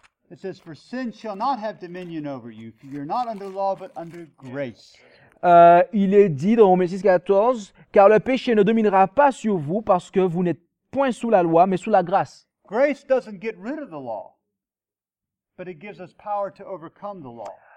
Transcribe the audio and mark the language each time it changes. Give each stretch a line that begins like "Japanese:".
English: It says, for sin shall not have dominion over you, for you're not under law but under grace.
French: Il est dit dans Romains 6, 14, car le péché ne dominera pas sur vous parce que vous n'êtes point sous la loi, mais sous la grâce.
English: Grace doesn't get rid of the law, but it gives us power to overcome the law.